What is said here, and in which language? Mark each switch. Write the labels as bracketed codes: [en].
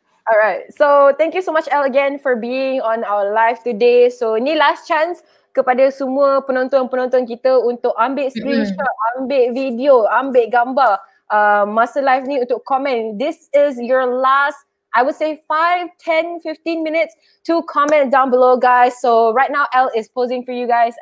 [en] Alright, so thank you so much Elle again for being on our live today. So ni last chance [ms] kepada semua penonton-penonton kita untuk ambil screenshot, ambil video, ambil gambar masa live ni untuk komen. [en] This is your last, I would say 5, 10, 15 minutes to comment down below, guys. So right now, L is posing for you guys.